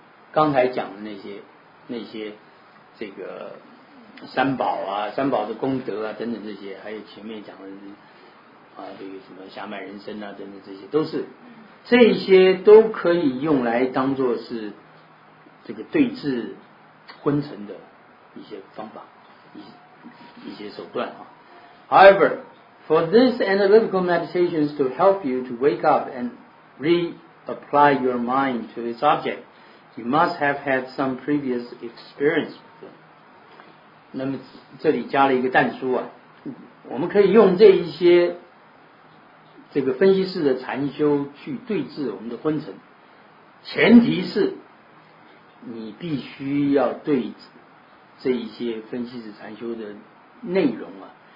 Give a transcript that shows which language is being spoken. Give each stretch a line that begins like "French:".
Chinese: 刚才讲的那些这个三宝啊，三宝的功德啊等等，这些还有前面讲的这个什么暇满人生啊等等，这些都是，这些都可以用来当作是这个对治昏沉的一些方法，一些手段啊。
English: However, for these analytical meditations to help you to wake up and reapply your mind to its object, you must have had some previous experience with them。
Chinese: 那么这里加了一个但书啊，我们可以用这一些这个分析式的禅修去对治我们的昏沉，前提是你必须要对这一些分析式禅修的内容啊